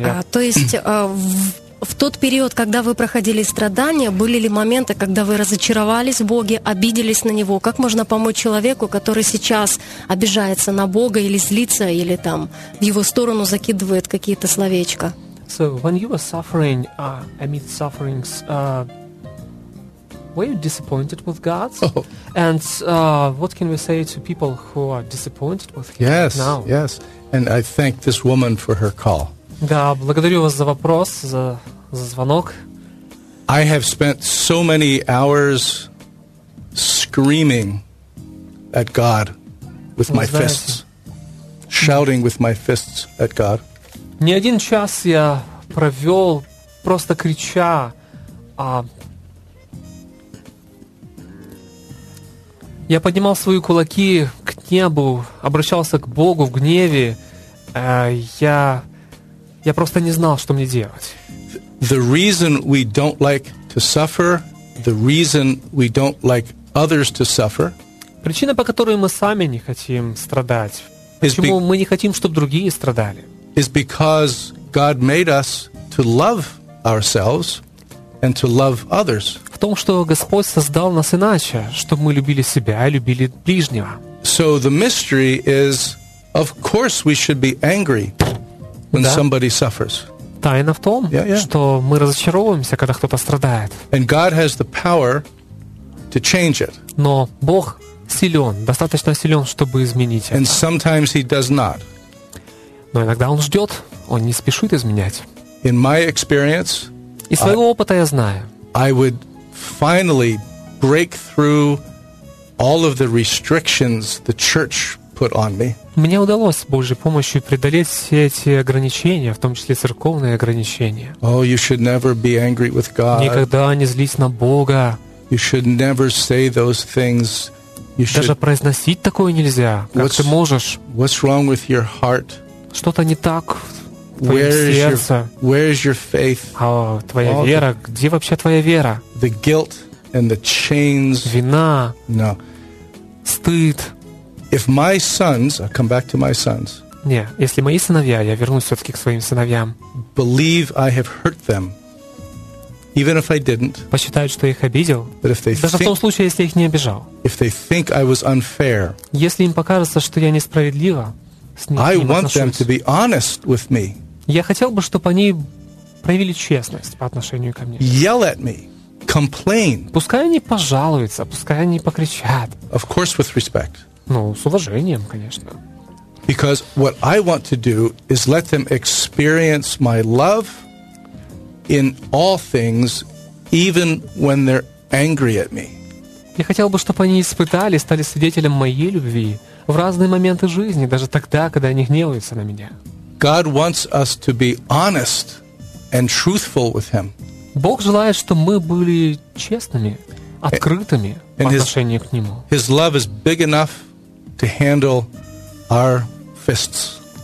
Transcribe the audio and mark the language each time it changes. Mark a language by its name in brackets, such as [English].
[Russian] То есть в тот период, когда вы проходили страдания, были ли моменты, когда вы разочаровались в Боге, обиделись на Него? Как можно помочь человеку, который сейчас обижается на Бога или злится, или там в его сторону закидывает какие-то словечко? [English] So when you were suffering amid sufferings, were you disappointed with God? And what can we say to people who are disappointed with Him now? Yes, and I thank this woman for her call. [Russian] Да, благодарю вас за вопрос, за звонок. [English] I have spent so many hours screaming at God with my fists, shouting with my fists at God. [Russian] Не один час я провел просто крича, я поднимал свои кулаки к небу, обращался к Богу в гневе, я просто не знал, что мне делать. [English] The reason we don't like to suffer, the reason we don't like others to suffer. [Russian] Причина, по которой мы сами не хотим страдать, почему мы не хотим, чтобы другие страдали. [English] Is because God made us to love ourselves and to love others. [Russian] В том, что Господь создал нас иначе, чтобы мы любили себя и любили ближнего. [English] So the mystery is, of course, we should be angry. When somebody suffers. [Russian] Тайна в том, что мы разочаровываемся, когда кто-то страдает. [English] And God has the power to change it. [Russian] Но Бог силен, достаточно силен, чтобы изменить это. [English] And sometimes He does not. [Russian] Но иногда Он ждет, Он не спешит изменять. [English] In my experience, [Russian] из своего опыта я знаю. [English] I would finally break through all of the restrictions the church put on me. [Russian] Мне удалось с Божьей помощью преодолеть все эти ограничения, в том числе церковные ограничения. [English] Oh, you should never be angry with God. [Russian] Никогда не злись на Бога. [English] You should never say those things. You should... [Russian] Даже произносить такое нельзя, как ты можешь. [English] What's wrong with your heart? [Russian] Что-то не так в твоем сердце. [English] Where is your faith? [Russian] Твоя вера, где вообще твоя вера? [English] The guilt and the chains. [Russian] Вина. [English] No. [Russian] Стыд. [English] If my sons, I'll come back to my sons. [Russian] Не, если мои сыновья, я вернусь все-таки к своим сыновьям. [English] Believe I have hurt them, even if I didn't. [Russian] Посчитают, что я их обидел. [English] But if they [Russian] даже [English] think, [Russian] в том случае, если я их не обижал. [English] If they think I was unfair. [Russian] Если им покажется, что я несправедливо с ними отношусь. [English] I want them to be honest with me. [Russian] Я хотел бы, чтобы они проявили честность по отношению ко мне. [English] Yell at me, complain. [Russian] Пускай они пожалуются, пускай они покричат. [English] Of course, with respect. [Russian] Ну, с уважением, конечно. [English] Because what I want to do is let them experience my love in all things, even when they're angry at me. [Russian] Я хотел бы, чтобы они испытали, стали свидетелем моей любви в разные моменты жизни, даже тогда, когда они гневаются на меня. [English] God wants us to be honest and truthful with Him. [Russian] Бог желает, чтобы мы были честными, открытыми по отношению к Нему. [English] His love is big enough to handle our fists.